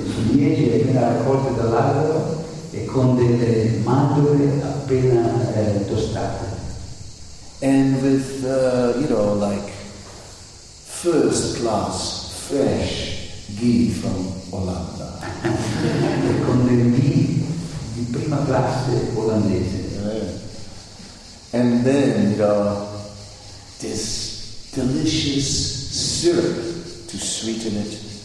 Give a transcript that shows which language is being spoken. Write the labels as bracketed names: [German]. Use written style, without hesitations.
[Italian] Ciliegie appena raccolte dall'albero e con delle mandorle appena tostate. [English] And with you know, like first class fresh ghee from Olanda. [Italian] E con del ghee di prima classe olandese. [English] And then this delicious syrup to sweeten it.